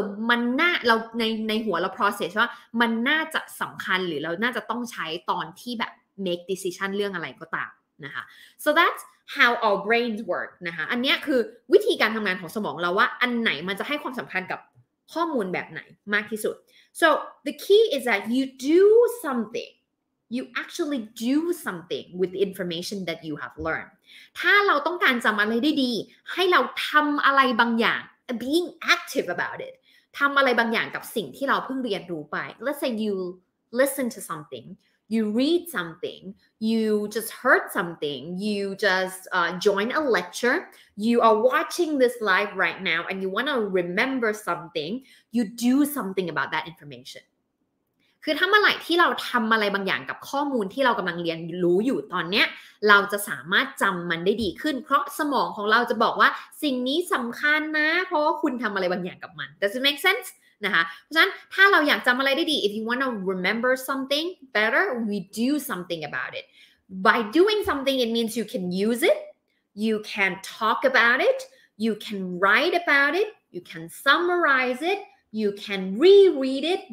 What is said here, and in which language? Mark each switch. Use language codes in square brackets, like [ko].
[th] มันน่าเราในหัวเรา process ว่ามันน่าจะสำคัญหรือเราน่าจะต้องใช้ตอนที่แบบ make decision เรื่องอะไรก็ตามนะคะ [en] so that's how our brains work [th] นะคะอันนี้คือวิธีการทำงานของสมองเราว่าอันไหนมันจะให้ความสำคัญกับข้อมูลแบบไหนมากที่สุด [en] so the key is that you do somethingYou actually do something with the information that you have learned. [th] ถ้าเราต้องการจำอะไรได้ดีให้เราทำอะไรบางอย่าง [en] being active about it. [th] ทำอะไรบางอย่างกับสิ่งที่เราเพิ่งเรียนรู้ไป [en] Let's say you listen to something, you read something, you just heard something, you just join a lecture, you are watching this live right now and you want to remember something, you do something about that information. [th] คือถ้าเมื่อไหร่ที่เราทำอะไรบางอย่างกับข้อมูลที่เรากำลังเรียนรู้อยู่ตอนนี้เราจะสามารถจำมันได้ดีขึ้นเพราะสมองของเราจะบอกว่าสิ่งนี้สำคัญนะเพราะว่าคุณทำอะไรบางอย่างกับมัน [en] Does it make sense [th] นะคะเพราะฉะนั้นถ้าเราอยากจำอะไรได้ดี [en] If you want to remember something better we do something about it by doing something it means you can use it you can talk about it you can write about it you can summarize itYou can reread it.